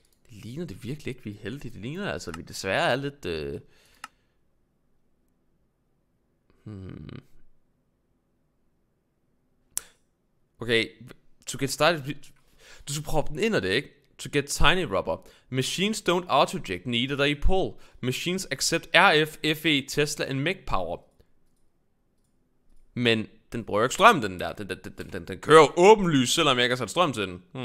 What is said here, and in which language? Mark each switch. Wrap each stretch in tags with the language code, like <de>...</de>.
<da>Det ligner det virkelig ikke, vi er heldige. Det ligner altså, vi desværre er lidt,</da> <en>Okay, to get started,</en> <da>du skal proppe den ind, er det ikke?</da> <en>To get tiny rubber. Machines don't auto-eject, neither they pull. Machines accept RF, FE, Tesla and Mech power.</en> <da>Men den bruger ikke strøm, den der. Den kører åbenlyst, selvom jeg ikke har sat strøm til den.</da>